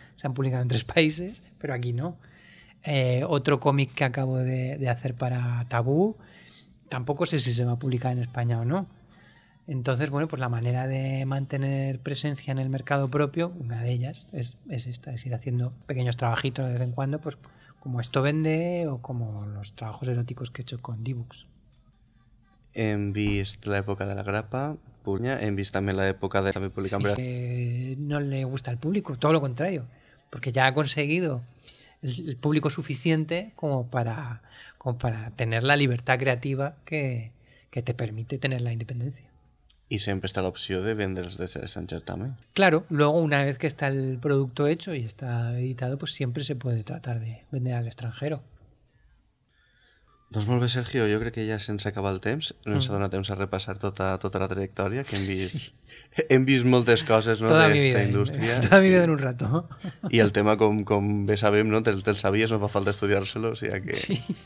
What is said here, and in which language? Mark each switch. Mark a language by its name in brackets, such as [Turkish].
[Spanish] Se han publicado en tres países, pero aquí no. Otro cómic que acabo de hacer para Tabú, tampoco sé si se va a publicar en España o no. Entonces, bueno, pues la manera de mantener presencia en el mercado propio, una de ellas es esta, es ir haciendo pequeños trabajitos de vez en cuando, pues como esto vende o como los trabajos eróticos que he hecho con Dibux. [Catalan] Hem vist l'època de la grapa, puña, hem vist també l'època de... [Spanish] Sí, que no le gusta al público, todo lo contrario, porque ya ha conseguido el público suficiente como para tener la libertad creativa que te permite tener la independencia. Y siempre está la opción de vender los deseos en certamen. Claro, luego una vez que está el producto hecho y está editado, pues siempre se puede tratar de vender al extranjero. [Catalan] Doncs molt bé, Sergio, jo crec que ja sense acabar el temps no ens ha donat temps a repassar tota la trajectòria que hem vist. Sí. Hem vist moltes coses, no, d'aquesta indústria. [Spanish] Toda mi vida en un rato. [Catalan] I el tema, com bé sabem, no, te'l sabies, no fa falta estudiar-se-lo, o sigui que... Sí.